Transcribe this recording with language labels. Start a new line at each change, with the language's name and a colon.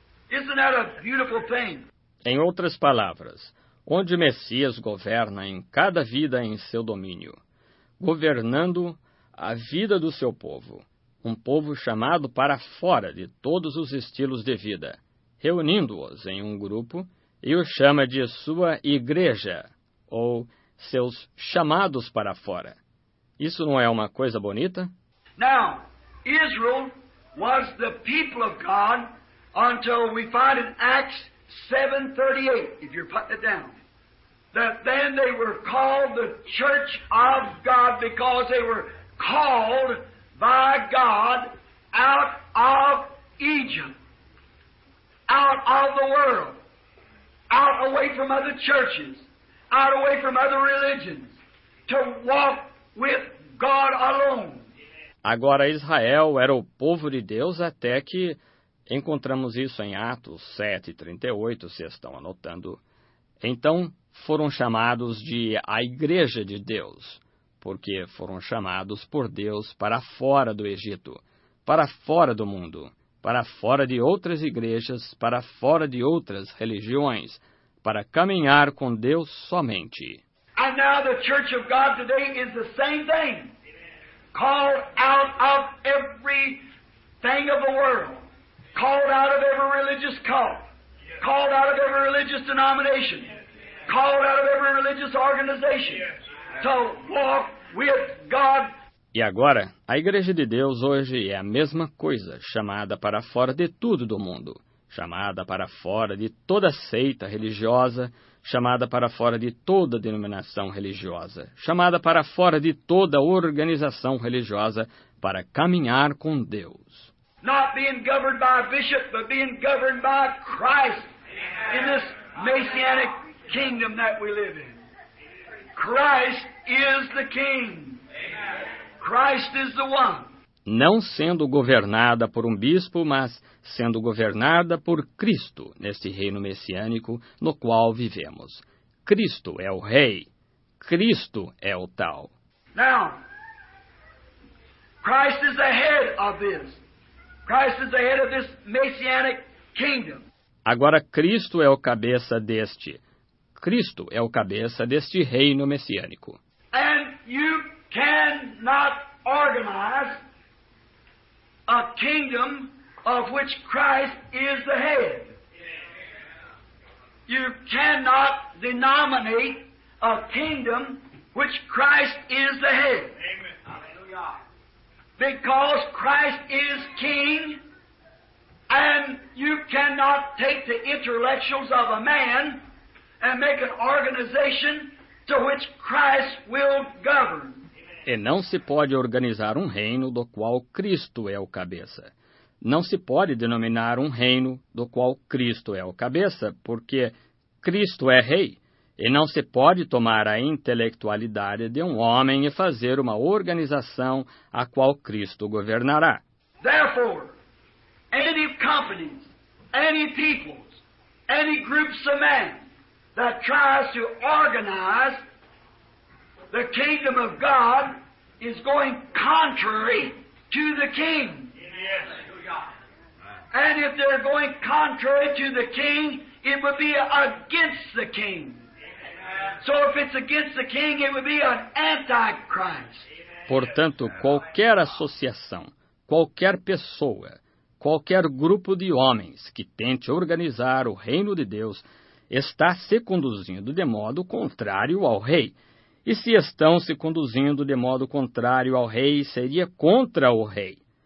English: Isn't that a beautiful thing?
Portuguese: Em outras palavras, onde o Messias governa em cada vida em seu domínio, governando a vida do seu povo, um povo chamado para fora de todos os estilos de vida, reunindo-os em um grupo e o chama de sua igreja, ou seus chamados para fora. Isso não é uma coisa bonita?
English: Now, Israel was the people of God until we find in Acts 7:38, if you're putting it down. That then they were called the church of God because they were called by God out of Egypt, out of the world, out away from other churches, out away from other religions, to walk with God alone.
Portuguese: Agora Israel era o povo de Deus até que, encontramos isso em Atos 7:38, se estão anotando, então foram chamados de a Igreja de Deus, porque foram chamados por Deus para fora do Egito, para fora do mundo, para fora de outras igrejas, para fora de outras religiões, para caminhar com Deus somente.
English: And now the Church of God today is the same thing. Called out of every thing of the world. Called out of every religious cult. Called out of every religious denomination. Called out of every religious organization. To walk with God.
Portuguese: E agora, a Igreja de Deus hoje é a mesma coisa, chamada para fora de tudo do mundo. Chamada para fora de toda seita religiosa. Chamada para fora de toda denominação religiosa. Chamada para fora de toda organização religiosa para caminhar com Deus.
English: Not being governed by a bishop, but being governed by Christ in this messianic kingdom that we live in. Christ is the King. Christ is the one.
Portuguese: Não sendo governada por um bispo, mas sendo governada por Cristo neste reino messiânico no qual vivemos. Cristo é o Rei. Cristo é o tal.
English: Now, Christ is the head of this. Christ is the head of this messianic kingdom.
Portuguese: Agora Cristo é o cabeça deste. Cristo é o cabeça deste reino messiânico.
English: And you cannot organize a kingdom of which Christ is the head. You cannot denominate a kingdom which Christ is the head. Amen. Hallelujah. Because Christ is king, and you cannot take the intellectuals of a man and make an organization to which Christ will govern.
Portuguese: E não se pode organizar reino do qual Cristo é o cabeça. Não se pode denominar reino do qual Cristo é o cabeça, porque Cristo é rei. E não se pode tomar a intelectualidade de homem e fazer uma organização a qual Cristo governará.
English: Therefore, any companies, any peoples, any groups of men that tries to organize the kingdom of God is going contrary to the king. Yes. And if they're going contrary to the king, it would be against the king. So if it's against the king, it would be an antichrist.
Portuguese: Portanto, qualquer associação, qualquer pessoa, qualquer grupo de homens que tente organizar reino de Deus está se conduzindo de modo contrário ao rei. E se estão se conduzindo de modo contrário ao rei, seria contra o rei.